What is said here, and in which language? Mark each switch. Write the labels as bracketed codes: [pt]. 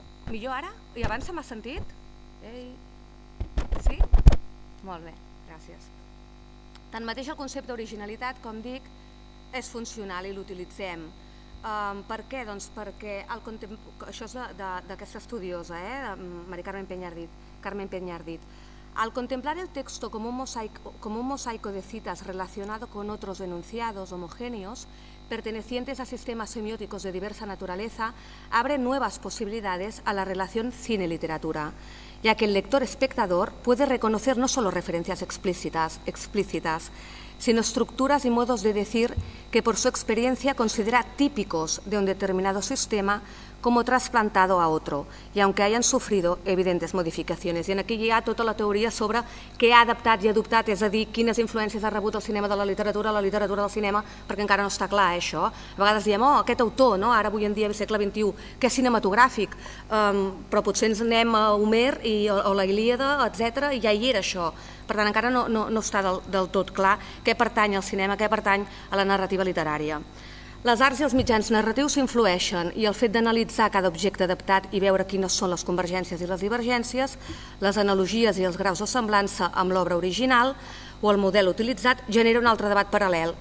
[ca] Millor ara? I abans se m'ha sentit? Ei. Sí? Molt bé, gràcies. Tanmateix, el concepte d'originalitat, com dic, és funcional i l'utilitzem. Per què? Doncs perquè el això és d'aquesta estudiosa, de Mari Carmen Peña Ardit, Carmen Peña Ardit. [es] Al contemplar el texto como un mosaico de citas relacionado con otros enunciados homogéneos, pertenecientes a sistemas semióticos de diversa naturaleza, abre nuevas posibilidades a la relación cine-literatura, ya que el lector-espectador puede reconocer no solo referencias explícitas, sino estructuras y modos de decir que por su experiencia considera típicos de un determinado sistema como trasplantado a otro, y aunque hayan sufrido evidentes modificaciones. [ca] I aquí hi ha tota la teoria sobre què ha adaptat i adoptat, és a dir, quines influències ha rebut el cinema de la literatura del cinema, perquè encara no està clar això. A vegades diem, oh, aquest autor, no? Ara avui en dia, al segle XXI, que és cinematogràfic, però potser ens anem a Homer i, o a la Ilíada, etc., i ja hi era això. Per tant, encara no està del tot clar què pertany al cinema, què pertany a la narrativa literària. Les arts i els mitjans narratius s'influeixen i el fet d'analitzar cada objecte adaptat i veure quines són les convergències i les divergències, les analogies i els graus de semblança amb l'obra original o el model utilitzat genera un altre debat paral·lel.